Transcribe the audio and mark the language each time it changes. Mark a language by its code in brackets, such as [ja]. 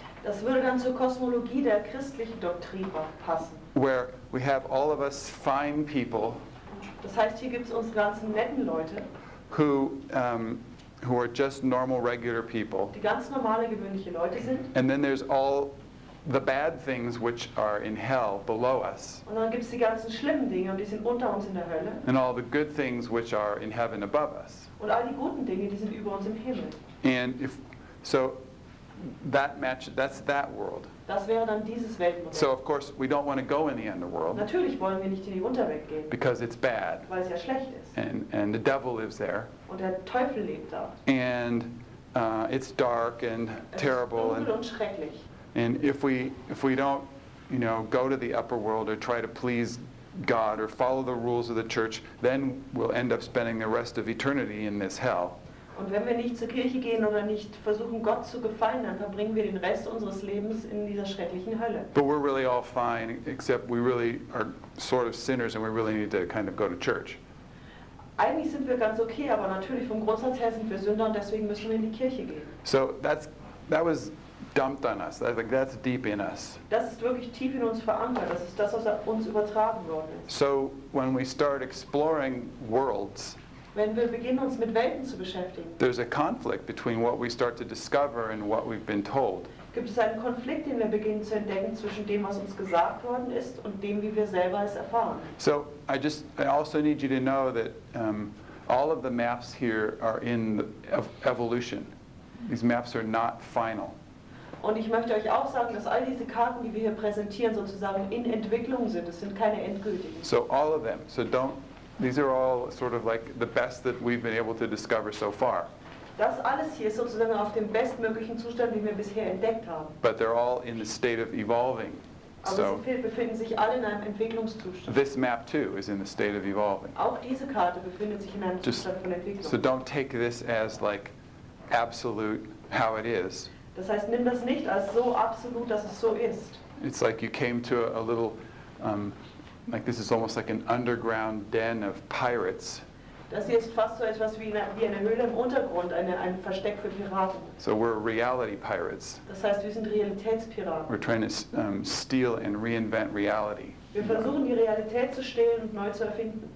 [de] Das würde dann zur Kosmologie der christlichen Doktrin passen. [en] Where we have all of us fine people. [de] Das heißt, hier gibt's uns ganzen netten Leute. [en] Who are just normal, regular people. [de] Die ganz normale, gewöhnliche Leute sind. [en] And then there's all the bad things which are in hell below us. [de] Und dann gibt's die ganzen schlimmen Dinge, und die sind unter uns in der Hölle. [en] And all the good things which are in heaven above us. [de] Und all die guten Dinge, die sind über uns im Himmel. [en] And if so, that's that world. [de] Das wäre dann dieses Weltmodell. [en] So of course we don't want to go in the underworld. [de] Natürlich wollen wir nicht in die Unterwelt gehen. [en] Because it's bad. [de] Weil es ja schlecht ist. [en] And the devil lives there. [de] Und der Teufel lebt da. [en] And it's dark and terrible. [de] Es ist dunkel und schrecklich. [en] And if we don't, you know, go to the upper world or try to please God or follow the rules of the church, then we'll end up spending the rest of eternity in this hell. [de] Und wenn wir nicht zur Kirche gehen oder nicht versuchen, Gott zu gefallen, dann verbringen wir den Rest unseres Lebens in dieser schrecklichen Hölle. [en] But we're really all fine, except we really are sort of sinners and we really need to kind of go to church. [de] Eigentlich sind wir ganz okay, aber natürlich vom Grundsatz her sind wir Sünder und deswegen müssen wir in die Kirche gehen. [en] So that was dumped on us. Like, that's deep in us. [de] Das ist wirklich tief in uns verankert. Das ist das, was uns übertragen worden ist. [en] So when we start exploring worlds, [de] wenn wir beginnen, uns mit Welten zu beschäftigen, [en] there's a conflict between what we start to discover and what we've been told. [de] Gibt es einen Konflikt, den wir beginnen zu entdecken, zwischen dem, was uns gesagt worden ist, und dem, wie wir selber es erfahren? [en] So I also need you to know that all of the maps here are in evolution. These maps are not final. [de] Und ich möchte euch auch sagen, dass all diese Karten, die wir hier präsentieren, sozusagen in Entwicklung sind. Es sind keine endgültigen. [en] So all of them. So don't. These are all sort of like the best that we've been able to discover so far. [de] Das alles hier ist sozusagen auf dem bestmöglichen Zustand, den wir bisher entdeckt haben. [en] But they're all in the state of evolving. [de] So sie befinden sich alle in einem Entwicklungszustand. [en] This map too is in the state of evolving. [de] Auch diese Karte befindet sich in einem Zustand von Entwicklung. [en] So don't take this as like absolute how it is. [de] Das heißt, nimm das nicht als so absolut, dass es so ist. [en] It's like you came to a little, like this is almost like an underground den of pirates. [de] Das hier ist fast so etwas wie eine Höhle im Untergrund, ein Versteck für Piraten. [en] So we're reality pirates. [de] Das heißt, wir sind Realitätspiraten. [en] We're trying to steal and reinvent reality. [de] Wir versuchen, die Realität zu stehlen und neu zu erfinden.